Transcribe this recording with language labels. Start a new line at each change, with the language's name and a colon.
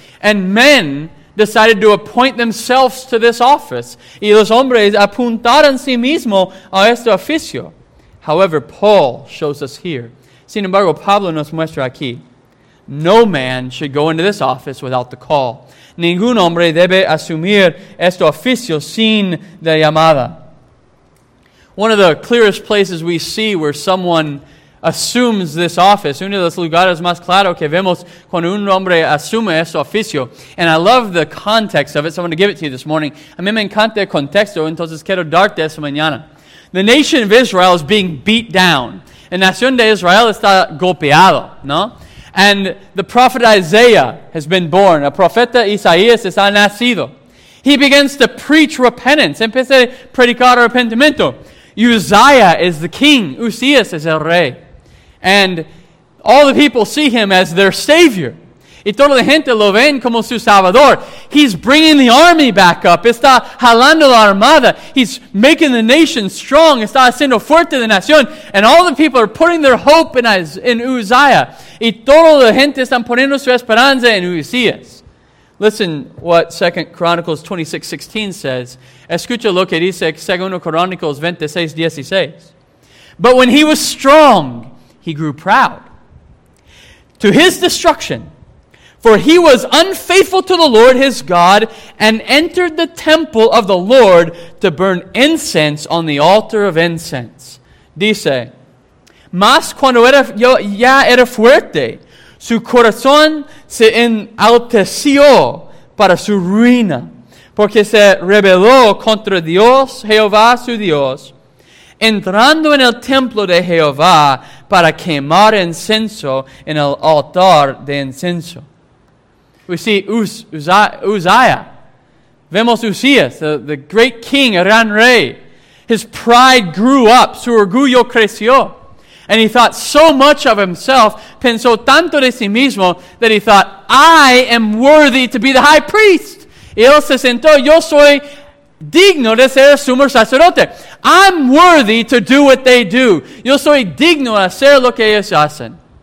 English: And men decided to appoint themselves to this office.
Spanish: Y los hombres apuntaron sí mismo a este oficio.
English: However, Paul shows us here.
Spanish: Sin embargo, Pablo nos muestra aquí.
English: No man should go into this office without the call.
Spanish: Ningún hombre debe asumir este oficio sin la llamada.
English: One of the clearest places we see where someone assumes this office,
Spanish: uno de los lugares más claros que vemos cuando un hombre asume este oficio,
English: and I love the context of it, so I'm going to give it to you this morning.
Spanish: A mí me encanta el contexto, entonces quiero darte esta mañana.
English: The nation of Israel is being beat down.
Spanish: La nación de Israel está golpeado, ¿no?
English: And the prophet Isaiah has been born.
Spanish: El profeta Isaías está nacido.
English: He begins to preach repentance.
Spanish: Empieza a predicar arrepentimiento.
English: Uzziah is the king.
Spanish: Uzzias is el rey.
English: And all the people see him as their savior.
Spanish: Y toda la gente lo ven como su salvador.
English: He's bringing the army back up.
Spanish: Está jalando la armada.
English: He's making the nation strong.
Spanish: Está haciendo fuerte la nación.
English: And all the people are putting their hope in Uzziah.
Spanish: Y toda la gente están poniendo su esperanza en Uzzias.
English: Listen what 2 Chronicles 26:16 says.
Spanish: Escucha lo que dice 2 Chronicles 26:16.
English: But when he was strong, he grew proud. To his destruction, for he was unfaithful to the Lord his God and entered the temple of the Lord to burn incense on the altar of incense.
Spanish: Dice, mas cuando ya era fuerte, su corazón se enalteció para su ruina, porque se rebeló contra Dios, Jehová su Dios, entrando en el templo de Jehová para quemar incenso en el altar de incenso.
English: We see Uzziah.
Spanish: Vemos Uzzias,
English: the great king,
Spanish: gran rey.
English: His pride grew up.
Spanish: Su orgullo creció.
English: And he thought so much of himself,
Spanish: pensó tanto de sí mismo,
English: that he thought, I am worthy to be the high priest.
Spanish: Y él se sentó, yo soy digno de ser sumo sacerdote.
English: I'm worthy to do what they do.
Spanish: Yo soy digno de hacer lo que ellos hacen.